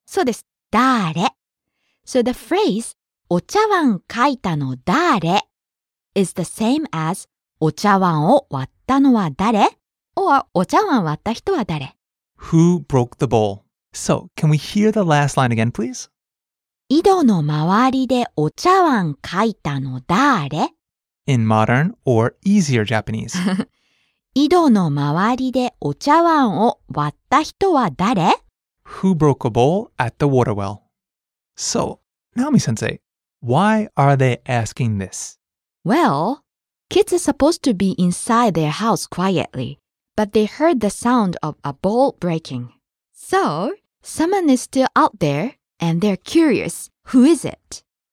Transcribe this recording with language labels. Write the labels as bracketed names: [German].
[Japanese] そうです。誰。 [English] So the phrase お茶碗かいたの誰 is the same as お茶碗を割ったのは誰 or お茶碗割った人は誰。 Who broke the bowl? So, can we hear the last line again, please? [Japanese] 井戸の周りでお茶碗かいたの誰? [English] In modern or easier Japanese. [Japanese] 井戸の周りでお茶碗を割った人は誰? [English] Who broke a bowl at the water well? So, Naomi-sensei, why are they asking this? Well, kids are supposed to be inside their house quietly, but they heard the sound of a bowl breaking. So, someone is still out there, and they're curious, who is it?